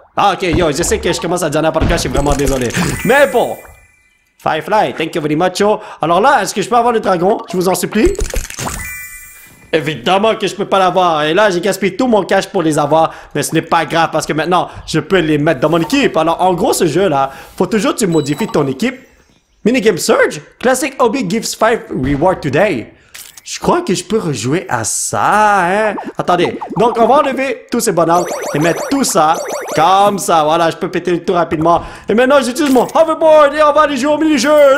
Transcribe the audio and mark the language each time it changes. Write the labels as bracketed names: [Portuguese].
[French] Ah, ok, yo, je sais que je commence à dire n'importe quoi, je suis vraiment désolé. Mais bon, Firefly, [English] thank you very much, yo. [French] Alors là, est-ce que je peux avoir le dragon? Je vous en supplie. Évidemment que je peux pas l'avoir. Et là, j'ai gaspillé tout mon cash pour les avoir. Mais ce n'est pas grave parce que maintenant, je peux les mettre dans mon équipe. Alors, en gros, ce jeu-là, faut toujours que tu modifies ton équipe. [English] Minigame Surge? Classic Obi gives 5 reward today. [French] Je crois que je peux rejouer à ça, hein? Attendez. Donc, on va enlever tous ces bonhommes et mettre tout ça comme ça. Voilà, je peux péter tout rapidement. Et maintenant, j'utilise mon hoverboard et on va aller jouer au mini-jeu.